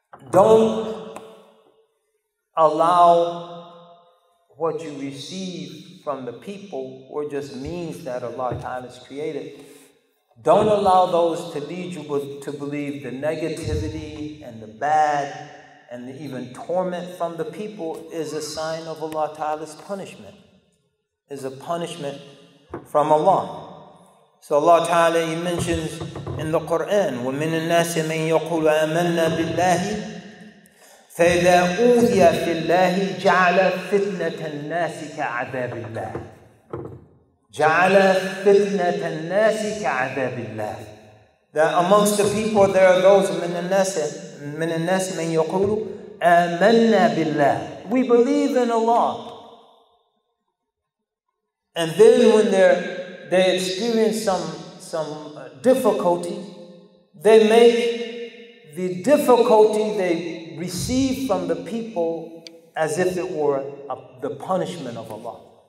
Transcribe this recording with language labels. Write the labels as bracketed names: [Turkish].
[English] Don't allow what you receive from the people or just means that Allah Ta'ala has created. Don't allow those to lead you to believe the negativity and the bad and the even torment from the people is a sign of Allah Ta'ala's punishment, is a punishment from Allah. So Allah Ta'ala, He mentions in the Quran, [Arabic] وَمِنَ النَّاسِ مَنْ يَقُولُ آمَنَّا بِاللَّهِ فَإِذَا أُوذِيَ فِي اللَّهِ جَعَلَ فِتْنَةَ النَّاسِ كَعَذَابِ اللَّهِ جَعَلَ فِتْنَةَ النَّاسِ كَعَذَابِ اللَّهِ. [English] That amongst the people there are those [Arabic] من الناس من يقولوا آمنا بالله. [English] We believe in Allah. And then when they experience some difficulty, they make the difficulty they receive from the people as if it were the punishment of Allah.